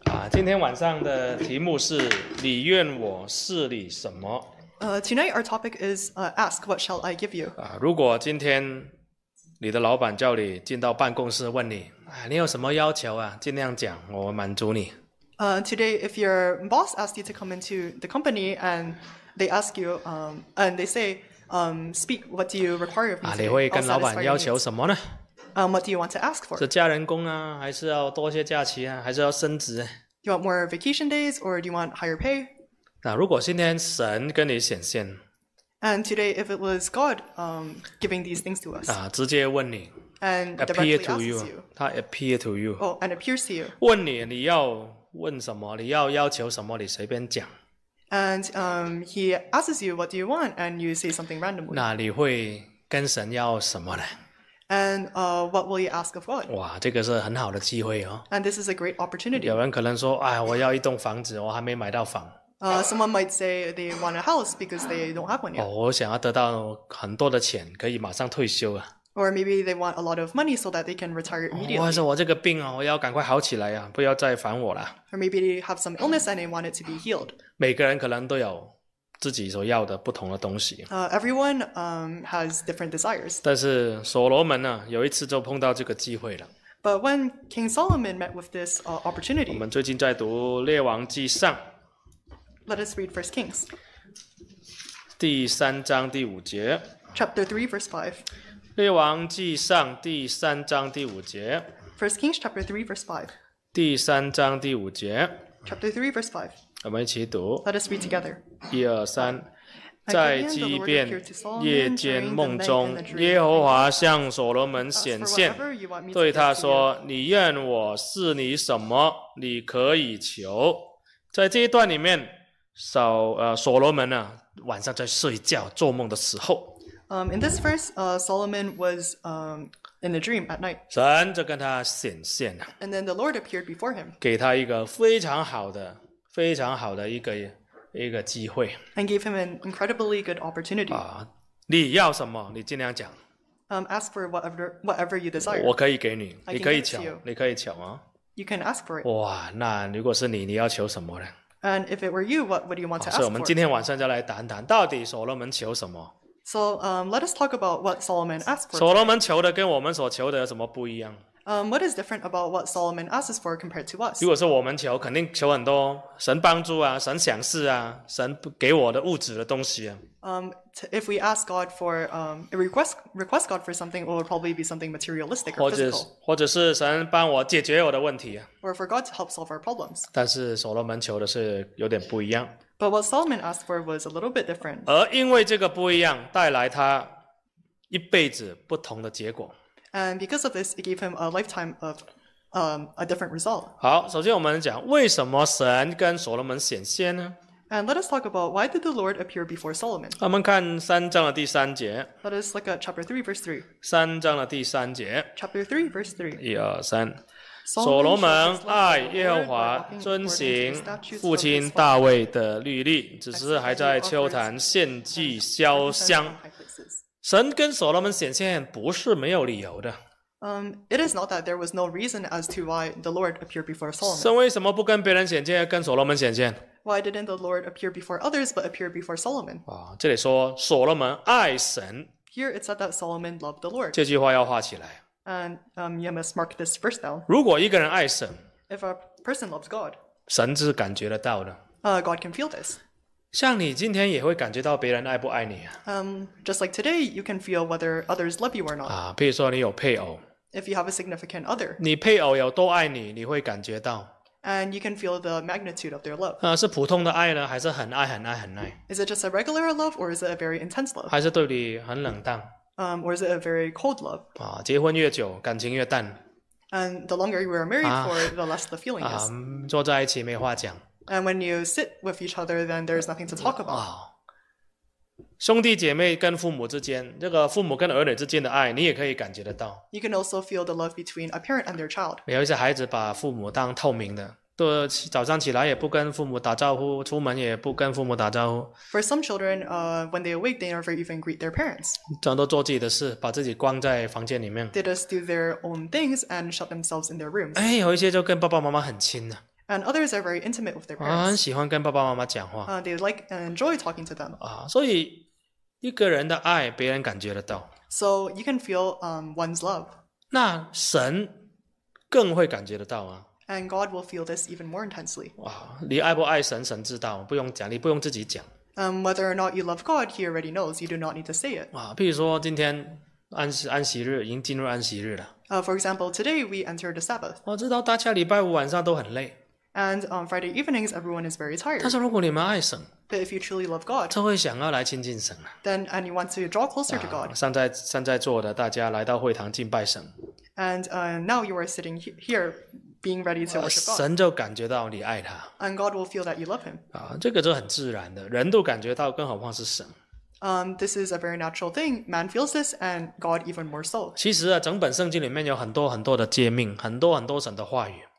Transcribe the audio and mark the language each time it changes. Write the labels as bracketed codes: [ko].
[zh] 今天晚上的题目是你愿我赐你什么？ [en] Tonight our topic is ask what shall I give you. [zh] 如果今天你的老板叫你进到办公室问你，你有什么要求啊？尽量讲，我满足你。 [en] Today if your boss asks you to come into the company and they ask you and they say speak what do you require of me? [zh] 你会跟老板要求什么呢？ [en] What do you want to ask for? [zh] 是加人工啊，还是要多些假期啊，还是要升职？ [en] You want more vacation days, or do you want higher pay? [zh] 那如果今天神跟你显现， [en] And today, if it was God, giving these things to us, [zh] 直接问你， [en] and appear to you, [zh] 他 [en] appear to you, oh, and appears to you, [zh] 问你，你要问什么？你要要求什么？你随便讲。 [en] And he asks you, what do you want? And you say something randomly. [zh] 那你会跟神要什么呢？ [en] And what will you ask of God? [zh] 哇，这个是很好的机会哦。 [en] And this is a great opportunity. [zh] 有人可能说，哎，我要一栋房子，我还没买到房。 [en] Someone might say they want a house because they don't have one yet. [zh] 哦，我想要得到很多的钱，可以马上退休啊。 [en] Or maybe they want a lot of money so that they can retire immediately. [zh] 或者我这个病啊，我要赶快好起来啊，不要再烦我了。 [en] Or maybe they have some illness and they want it to be healed. [zh] 每个人可能都有自己所要的不同的东西。 [en] Everyone has different desires. [zh] 但是所罗门呢，有一次就碰到这个机会了。 [en] But when King Solomon met with this opportunity, [zh] 我们最近在读《列王记上》。 [en] Let us read First Kings. [zh] 第三章第五节。 [en] Chapter 3, verse 5. [zh] 列王记上第三章第五节。 [en] First Kings, chapter 3, verse 5. [zh] 第三章第五节。 [en] Chapter 3, verse 5. [zh] 我们一起读。 [en] Let us read together. [zh] 一二三，在基遍夜间梦中，耶和华向所罗门显现，对他说：“你愿我赐你什么？你可以求。” 在这一段里面，所罗门呢，晚上在睡觉做梦的时候。 [en] In this verse, Solomon was in a dream at night. [zh] 神就跟他显现了。 [en] And then the Lord appeared before him. [zh] 给他一个非常好的。非常好的一个机会 [en] ，and gave him an incredibly good opportunity. [zh] 你要什么？你尽量讲。 [en] Ask for whatever you desire. [zh] 我可以给你，你可以求，你可以求啊。 [en] You can ask for it. [zh] 哇，那如果是你，你要求什么呢 [en] ？And if it were you, what would you want to ask for? [zh] 所以我们今天晚上就来谈谈，到底所罗门求什么 [en] ？So, let us talk about what Solomon asked for. [zh] 所罗门求的跟我们所求的有什么不一样？ [en] What is different about what Solomon asks for compared to us? [zh] 如果是我们求，肯定求很多神帮助啊，神赏赐啊，神给我的物质的东西啊。 [en] If we ask God for request God for something, it will probably be something materialistic or physical. [zh] 或者是神帮我解决我的问题啊。 [en] Or for God to help solve our problems. [zh] 但是所罗门求的是有点不一样。 [en] But what Solomon asked for was a little bit different. [zh] 而因为这个不一样，带来他一辈子不同的结果。 [en] And because of this, it gave him a lifetime of a different result. [zh] 好，首先我们讲为什么神跟所罗门显现呢？ [en] And let us talk about why did the Lord appear before Solomon? [zh] 我们看三章的第三节。 [en] Let us look at chapter 3, verse 3. [zh] 三章的第三节。 [en] Chapter 3, verse 3. [zh] 一二三。所罗门爱耶和华，遵行父亲大卫的律例，只是还在丘坛献祭烧香。神跟所罗门显现不是没有理由的。 [en] It is not that there was no reason as to why the Lord appeared before Solomon. [zh] 神为什么不跟别人显现，跟所罗门显现 [en] ？Why didn't the Lord appear before others but appear before Solomon？ [zh] 这里说所罗门爱神。 [en] Here it said that Solomon loved the Lord. [zh] 这句话要画起来。 [en] And you must mark this verse down. [zh] 如果一个人爱神 [en] ，If a person loves God， [zh] 神是感觉得到的。 [en] God can feel this. [zh] 像你今天也会感觉到别人爱不爱你啊。 [en] Just like today, you can feel whether others love you or not. [zh] 比如说你有配偶。 [en] If you have a significant other. [zh] 你配偶有多爱你，你会感觉到。 [en] And you can feel the magnitude of their love. [zh] 是普通的爱呢，还是很爱很爱很爱 [en] ？Is it just a regular love, or is it a very intense love? [zh] 还是对你很冷淡 [en] ？Or is it a very cold love? [zh] 结婚越久，感情越淡。 [en] And the longer you are married for, the less the feeling is. [zh] 坐在一起没话讲。 [en] And when you sit with each other, then there's nothing to talk about. [zh] 兄弟姐妹跟父母之间，这个父母跟儿女之间的爱，你也可以感觉得到。 [en] You can also feel the love between a parent and their child. [zh] 有一些孩子把父母当透明的。对，早上起来也不跟父母打招呼，出门也不跟父母打招呼。 [en] For some children, when they awake, they never even greet their parents. [zh] 全都做自己的事，把自己关在房间里面。 [en] They just do their own things and shut themselves in their rooms. [zh] 哎，有一些就跟爸爸妈妈很亲了。 [en] And others are very intimate with their parents. [zh] 很喜欢跟爸爸妈妈讲话。 [en] They like and enjoy talking to them. [zh] 所以一个人的爱，别人感觉得到。 [en] So you can feel one's love. [zh] 那神更会感觉得到啊。 [en] And God will feel this even more intensely. [zh] 哇，你爱不爱神，神知道，不用讲，你不用自己讲。 [en] Whether or not you love God, He already knows. You do not need to say it. [zh] 哇，譬如说今天安息日，已经进入安息日了。 [en] For example, today we enter the Sabbath. [zh] 我知道大家礼拜五晚上都很累。 [en] And on Friday evenings, everyone is very tired. [zh] 但是如果你们爱神， [en] But if you truly love God, [zh] 就会想要来亲近神。 [en] Then, and you want to draw closer to God. [zh] 上在座的大家来到会堂敬拜神。 [en] And now you are sitting here, being ready to worship God. [zh] 神就感觉到你爱他。 [en] And God will feel that you love him. [zh] 这个就很自然的，人都感觉到，更何况是神。 [en] This is a very natural thing. Man feels this, and God even more so. [zh] 其实啊，整本圣经里面有很多很多的诫命，很多很多神的话语。